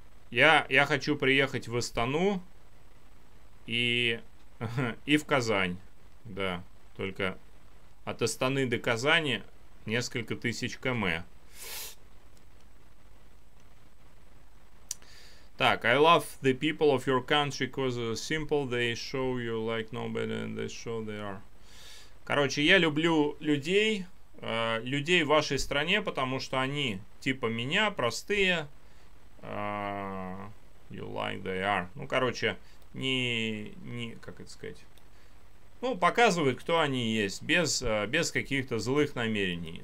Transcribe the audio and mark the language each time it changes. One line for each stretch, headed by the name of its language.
Russian: Я хочу приехать в Астану и в Казань. Да, только от Астаны до Казани несколько тысяч км.
English: Так, I love the people of your country because they're simple, they show you like nobody and they show they are.
Russian: Короче, я люблю людей, людей в вашей стране, потому что они типа меня, простые.
English: You like they are.
Russian: Ну, короче, не как это сказать? Ну, показывают, кто они есть, без каких-то злых намерений.